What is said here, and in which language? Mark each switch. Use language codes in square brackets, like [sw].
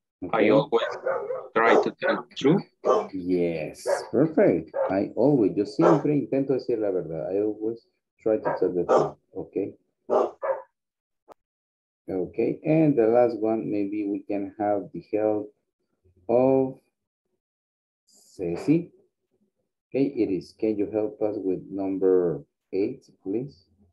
[en] Okay. I always try to tell the truth. Yes, perfect. I always, [es] yo siempre intento decir la verdad. [en] I always try to tell the truth. Okay. Okay, and the last one, maybe we can have the help of Ceci. Okay, it is. Can you help us with number 8, please?